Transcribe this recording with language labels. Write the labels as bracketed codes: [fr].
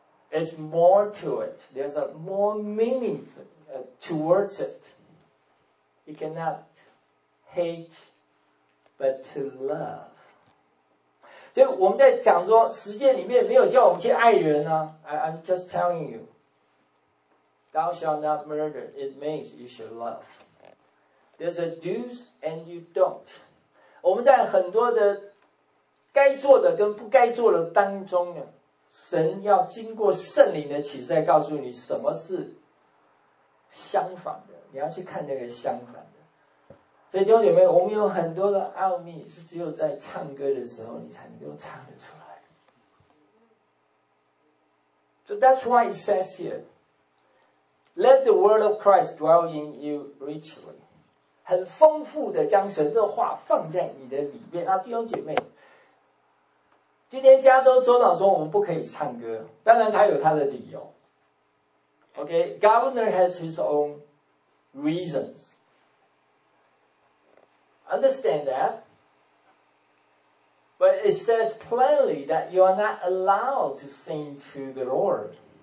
[en] It's more to it. There's a more meaning towards it. You cannot hate but to love. [zh] 所以我们在讲说实践里面没有叫我们去爱人啊。 [en] I'm just telling you, Thou shalt not murder. It means you should love. There's a do's and you don't. [zh] 我们在很多的该做的跟不该做的当中呢，神要经过圣灵的启示来告诉你什么是相反的，你要去看那个相反的。所以弟兄姐妹，我们有很多的奥秘是只有在唱歌的时候你才能够唱得出来。 [en] So that's why it says here, Let the word of Christ dwell in you richly. [zh] 很丰富的将神的话放在你的里面。那弟兄姐妹，今天加州州长说我们不可以唱歌，当然他有他的理由。 [en] OK, Governor has his own reasons. Understand that? But it says plainly that you are not allowed to sing to the Lord.